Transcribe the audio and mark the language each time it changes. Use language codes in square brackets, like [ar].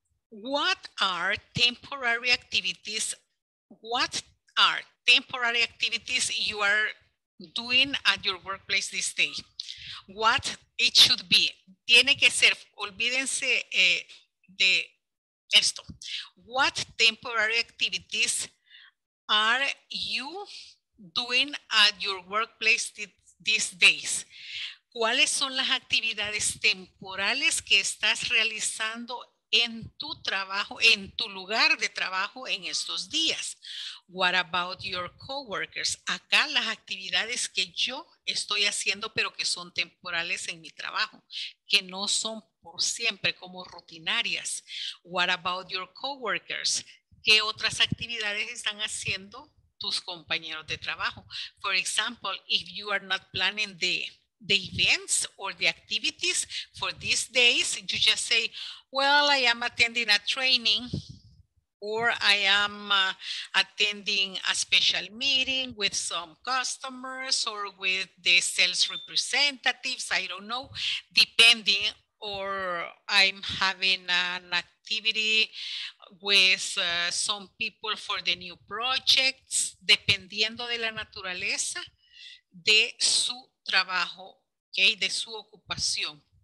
[en] What are temporary activities? What are temporary activities you are doing at your workplace this day? What it should be? [es] Tiene que ser, olvídense de esto. [en] What temporary activities are you doing at your workplace these days? [es] ¿Cuáles son las actividades temporales que estás realizando en tu trabajo, en tu lugar de trabajo en estos días? [en] What about your coworkers? [es] Acá las actividades que yo estoy haciendo, pero que son temporales en mi trabajo, que no son por siempre, como rutinarias. [en] What about your coworkers? [es] ¿Qué otras actividades están haciendo tus compañeros de trabajo? [en] For example, if you are not planning the events or the activities for these days, you just say, well, I am attending a training, or I am attending a special meeting with some customers or with the sales representatives, I don't know, depending, or I'm having an activity with some people for the new projects, [es] dependiendo de la naturaleza de su trabajo, okay, de su ocupación.